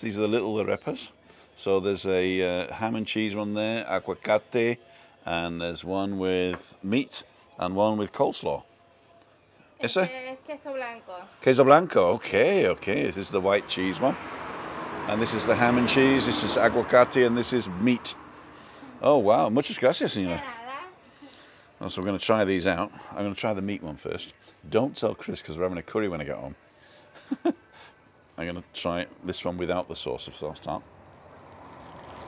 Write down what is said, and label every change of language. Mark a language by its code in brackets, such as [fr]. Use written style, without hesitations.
[en] These are the little arepas. So there's a ham and cheese one there, aguacate. And there's one with meat and one with coleslaw. [es] Es queso blanco. Queso blanco, okay. [en] This is the white cheese one. And this is the ham and cheese, this is aguacate, and this is meat. [es] Oh, wow, muchas gracias, señora. [en] So we're going to try these out. I'm going to try the meat one first. Don't tell Chris, because we're having a curry when I get home. I'm going to try this one without the sauce of sauce, aren't I?